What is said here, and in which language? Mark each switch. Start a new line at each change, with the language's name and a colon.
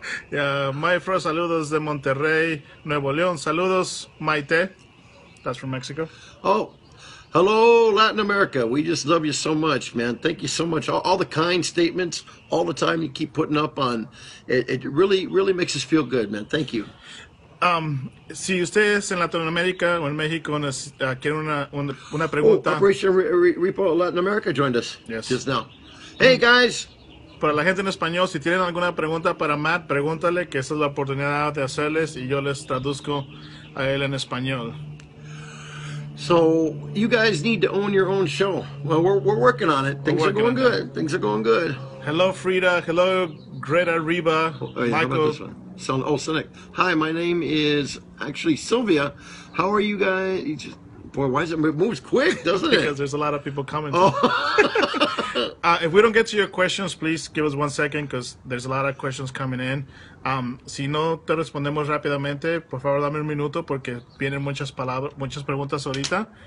Spanish: Yeah, Maifro, saludos de Monterrey, Nuevo León.
English: Saludos, Maite. That's from Mexico. Oh, hello, Latin America. We just love you so much, man. Thank you so much. All the kind statements, all the time you keep putting up on. It really, really makes us feel good, man. Thank you.
Spanish: Si ustedes en Latinoamérica o en México quieren una pregunta.
English: Oh, Operation Repo Latin America joined us. Yes. Just now. Hey, guys.
Spanish: Para la gente en español, si tienen alguna pregunta para Matt, pregúntale, que esa es la oportunidad de hacerles, y yo les traduzco a él en español.
English: So, you guys need to own your own show. Well, we're working on it. Things are going good. Things are going good. Hello, Frida. Hello, Greta Reba. Michael. Cynic. Hi, my name is actually Sylvia. How are you guys? Boy, why is it moves quick, doesn't it? Because there's a lot of people coming. Oh. if we don't get to your questions, please give us 1 second because there's a lot of questions coming in.
Spanish: Si no te respondemos rápidamente, por favor dame un minuto porque vienen muchas preguntas ahorita.